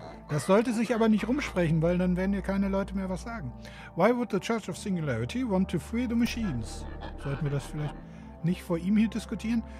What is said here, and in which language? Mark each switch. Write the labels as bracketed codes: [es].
[de] Das sollte sich aber nicht rumsprechen, weil dann werden ja keine Leute mehr was sagen. [en] Why would the Church of Singularity want to free the machines? [de] Sollten wir das vielleicht nicht vor ihm hier diskutieren?